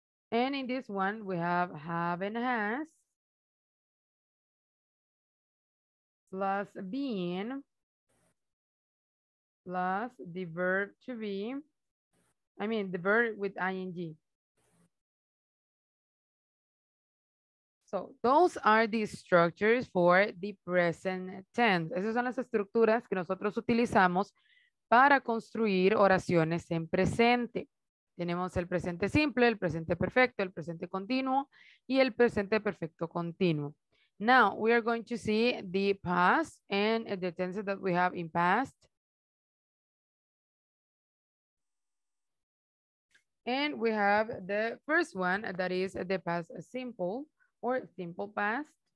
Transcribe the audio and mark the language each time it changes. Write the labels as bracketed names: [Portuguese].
[English] And in this one, we have and has plus been plus the verb to be, I mean, the verb with ing. So those are the structures for the present tense. [Spanish] Esas son las estructuras que nosotros utilizamos para construir oraciones en presente. Tenemos el presente simple, el presente perfecto, el presente continuo y el presente perfecto continuo. [English] Now, we are going to see the past and the tenses that we have in past. And we have the first one, that is the past simple or simple past.